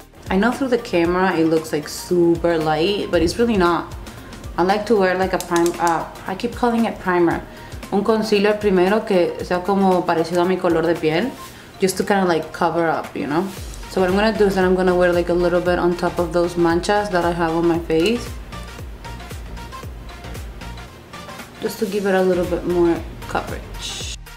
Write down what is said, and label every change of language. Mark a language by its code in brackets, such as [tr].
[en] I know through the camera it looks like super light, but it's really not. I like to wear like a primer, I keep calling it primer. [es] Un concealer primero que sea como parecido a mi color de piel. [en] Just to kind of like cover up, you know? So what I'm gonna do is then I'm gonna wear like a little bit on top of those manchas that I have on my face. Just to give it a little bit more coverage.